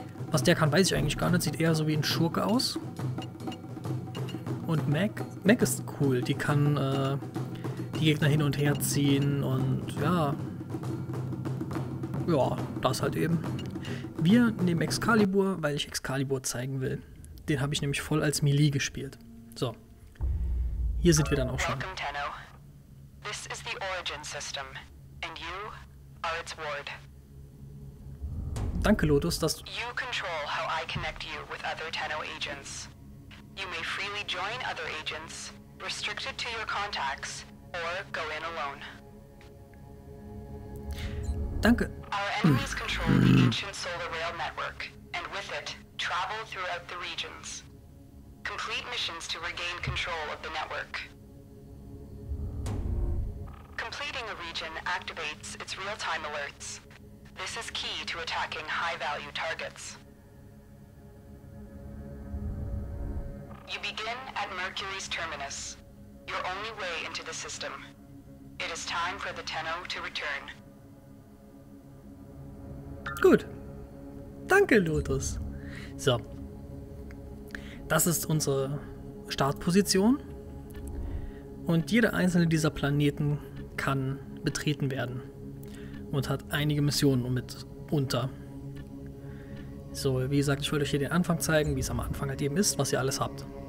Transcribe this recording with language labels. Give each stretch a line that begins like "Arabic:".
German: Was der kann, weiß ich eigentlich gar nicht, sieht eher so wie ein Schurke aus. Und Mac ist cool, die kann die Gegner hin und her ziehen und ja, ja, das halt eben. Wir nehmen Excalibur, weil ich Excalibur zeigen will, den habe ich nämlich voll als Melee gespielt. So. Hier sind wir dann auch schon.
English: Welcome, Tenno. This is the origin system, and you are its ward.
German: Danke, Lotus, dass
English: you control how I connect you with other Tenno agents. You may freely join other agents, restricted to your contacts, or go in alone.
German: Danke.
English: Our enemies control the ancient solar rail network, and with it, travel throughout the regions. Complete missions to regain control of the network. Completing a region activates its real-time alerts. This is key to attacking high-value targets. You begin at Mercury's terminus, your only way into the system. It is time for the Tenno to return.
German: Gut. Danke, Lotus. So. Das ist unsere Startposition und jeder einzelne dieser Planeten kann betreten werden und hat einige Missionen mitunter. So, wie gesagt, ich wollte euch hier den Anfang zeigen, wie es am Anfang halt eben ist, was ihr alles habt.